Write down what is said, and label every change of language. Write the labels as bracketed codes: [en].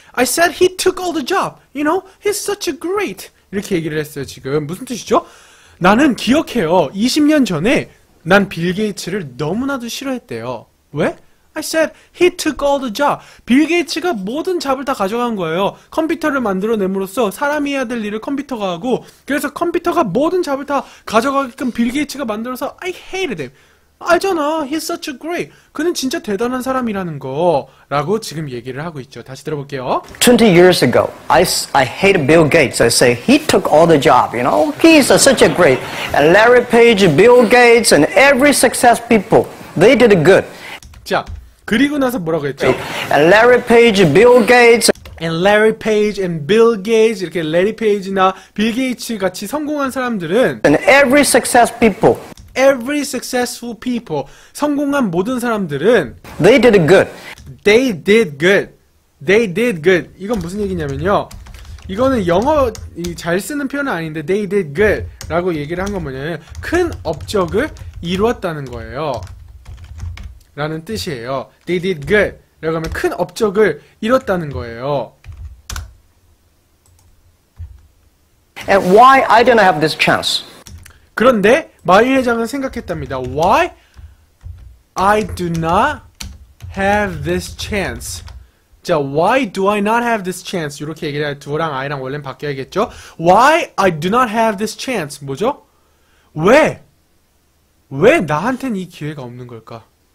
[en] I said, he took all the job, you know? He's such a great... [ko] 이렇게 얘기를 했어요, 지금. 무슨 뜻이죠? 나는 기억해요. 20년 전에... 난 빌 게이츠를 너무나도 싫어했대요. [en] 왜? I said he took all the job. [ko] 빌 게이츠가 모든 잡을 다 가져간 거예요. 컴퓨터를 만들어냄으로써 사람이 해야 될 일을 컴퓨터가 하고 그래서 컴퓨터가 모든 잡을 다 가져가게끔 빌 게이츠가 만들어서 [en] I hated him. [ko] 알잖아. [en] He's such a great. [ko] 그는 진짜 대단한 사람이라는 거. 라고 지금 얘기를 하고 있죠. 다시 들어볼게요. [en] 20 years ago, I hated Bill Gates. I say, he took all the job, you know. He's such a great. And Larry Page, Bill Gates, and every success people, they did good. [ko] 자, 그리고 나서 뭐라고 했죠? [en] And Larry Page, Bill Gates, [ko] And Larry Page and Bill Gates 이렇게 Larry Page나 Bill Gates 같이 성공한 사람들은 [en] And every successful people Every successful people [ko] 성공한 모든 사람들은 [en] They did good They did good They did good [ko] 이건 무슨 얘기냐면요 이거는 영어 잘 쓰는 표현은 아닌데 They did good 라고 얘기를 한 건 뭐냐면 큰 업적을 이루었다는 거예요 라는 뜻이에요 They did good 라고 하면 큰 업적을 이뤘다는 거예요. [en] And why I didn't have this chance? [ko] 그런데 마이 회장은 생각했답니다. [en] Why I do not have this chance? 자, why do I not have this chance? [ko] 이렇게 얘기를 해야 do랑 I랑 원래는 바뀌어야겠죠? [en] Why I do not have this chance? [ko] 뭐죠? 왜? 왜 나한텐 이 기회가 없는 걸까?